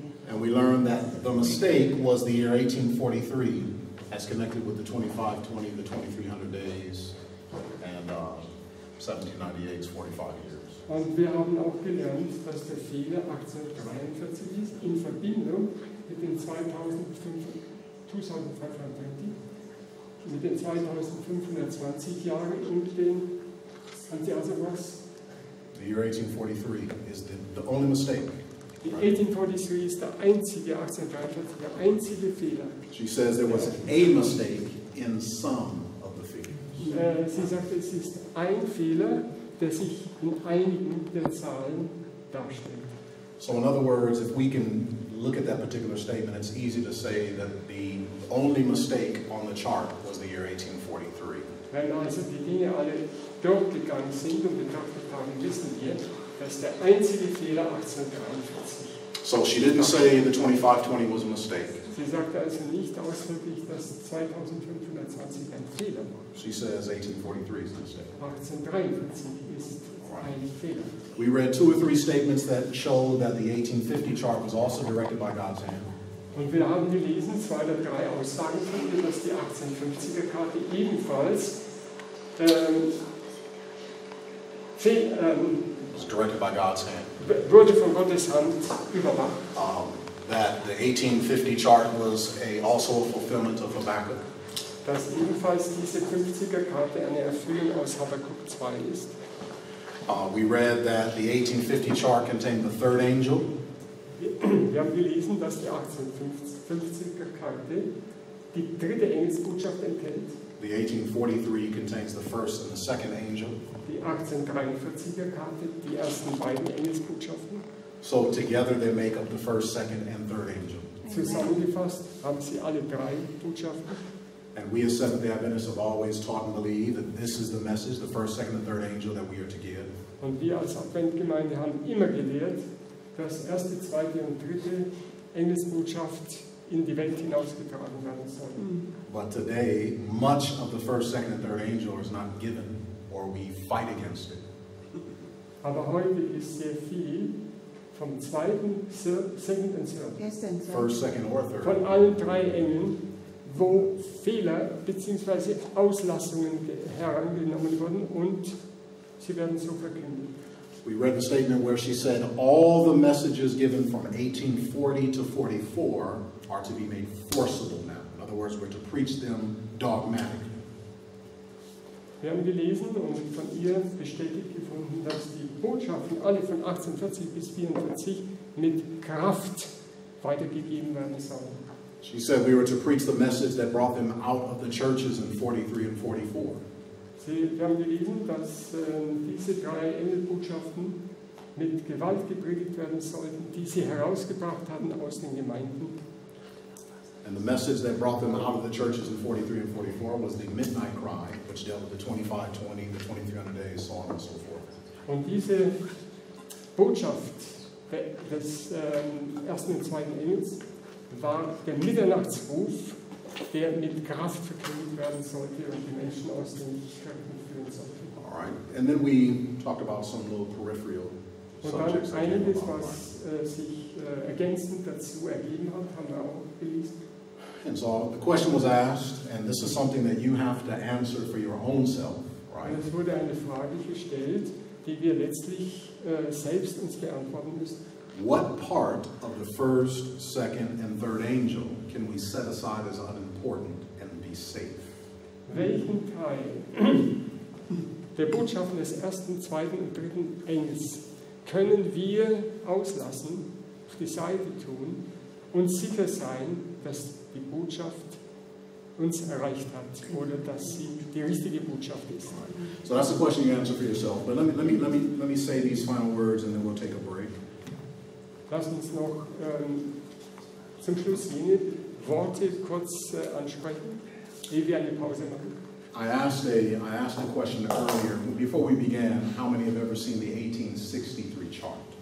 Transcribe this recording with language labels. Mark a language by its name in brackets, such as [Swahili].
[English] And we learned that the mistake was the year 1843, as connected with the 2520, the 2300 days, and 1798's 45 years. [German] Und wir haben auch gelernt, dass der Fehler 1843 ist, in Verbindung mit den 2520 Jahren und den, haben Sie also was? [English] The year 1843 is the only mistake. The 1843 is the einzige 1843, the [German] einzige Fehler. [English] She says there was a mistake in some of the figures. [German] Sie sagt, es ist ein Fehler, der sich in einigen der Zahlen darstellt. [English] So in other words, if we can look at that particular statement, it's easy to say that the only mistake on the chart was the year 1843. [German] Wenn also die Dinge alle durchgegangen sind und betrachtet haben, wissen wir, das ist der einzige Fehler 1843. [English] So she didn't say the 2520 was a mistake. [German] Sie sagte also nicht ausdrücklich, dass 2520 ein Fehler war. [English] She says 1843 is a mistake. [German] 1843 ist ein Fehler. [English] We read two or three statements that show that the 1850 chart was also directed by God's hand. [German] Und wir haben gelesen, zwei oder drei Aussagen von ihr, dass die 1850er Karte ebenfalls [English] was directed by God's hand. [German] Wurde von Gottes Hand überwacht. [English] That the 1850 chart was also a fulfillment of Habakkuk. [German] Dass ebenfalls diese 50er Karte eine Erfüllung aus Habakkuk 2 ist. [English] We read that the 1850 chart contained the third angel. [German] Wir haben gelesen, dass die 1850er Karte die dritte Engelsbotschaft enthält. [English] The 1843 contains the first and the second angel. [German] Die 1843er Karte, die ersten beiden Engelsbotschaften. [English] So together they make up the first, second, and third angel. [German] Zusammengefasst haben sie alle drei Botschaften. [English] And we as Seventh-day Adventists have always taught and believe that this is the message, the first, second, and third angel that we are to give. [German] Und wir als Adventgemeinde haben immer gelehrt, dass erste, zweite und dritte Engelsbotschaft in die Welt hinausgetragen werden soll. [English] But today, much of the first, second, and third angel is not given, or we fight against it. [German] Aber heute ist sehr viel vom zweiten, [English] second and third. Yes, and third. First, second, or third. [German] Von allen drei Engeln, wo Fehler bzw. Auslassungen herangenommen wurden und sie werden so verkündet. [English] We read the statement where she said, all the messages given from 1840 to 44 are to be made forcible now. In other words, we're to preach them dogmatically. [German] Wir haben gelesen und von ihr bestätigt gefunden, dass die Botschaften alle von 1840 bis 44 mit Kraft weitergegeben werden sollen. [English] She said we were to preach the message that brought them out of the churches in 43 and 44. [German] Wir haben gelesen, dass diese drei Engelbotschaften mit Gewalt gepredigt werden sollten, die sie herausgebracht hatten aus den Gemeinden. [English] And the message that brought them out of the churches in 43 and 44 was the midnight cry, which dealt with the 2520, the 2300 days, so on and so forth. [German] Und diese Botschaft des ersten und zweiten Engels war der Mitternachtsruf, der mit Kraft verkündet werden sollte und die Menschen aus den Schrecken führen sollte. [English] All right. And then we talked about some little peripheral [German] und dann subjects einiges, was sich ergänzend dazu ergeben hat, haben wir auch gelesen. [English] And so the question was asked, and this is something that you have to answer for your own self, right? [German] Es wurde eine Frage gestellt, die wir letztlich selbst uns beantworten müssen. [English] What part of the first, second, and third angel can we set aside as unimportant and be safe? [German] Welchen Teil der Botschaften des ersten, zweiten und dritten Engels können wir auslassen, auf die Seite tun und sicher sein, dass die Botschaft uns erreicht hat oder dass sie die richtige Botschaft ist? [English] Right. So that's the question you answer for yourself. But let me say these final words and then we'll take a break. [German] Lass uns noch zum Schluss jene Worte kurz ansprechen, ehe wir eine Pause machen. [English] I asked a question earlier, before we began, how many have ever seen the 1863 chart?